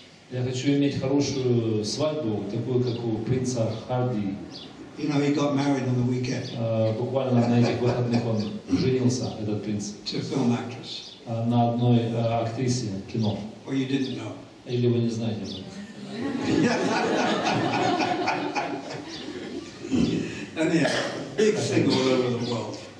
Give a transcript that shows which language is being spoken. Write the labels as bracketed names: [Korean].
[Russian] Я хочу иметь хорошую свадьбу, такую как у принца Харди. [English] You know, he got married on the weekend. [Russian] Буквально на этих выходных он женился, этот принц. [English] To film actress. [Russian] На одной актрисе кино. [English] Or you didn't know. [Russian] Или вы не знаете. [English] Anyway, big thing all over the world.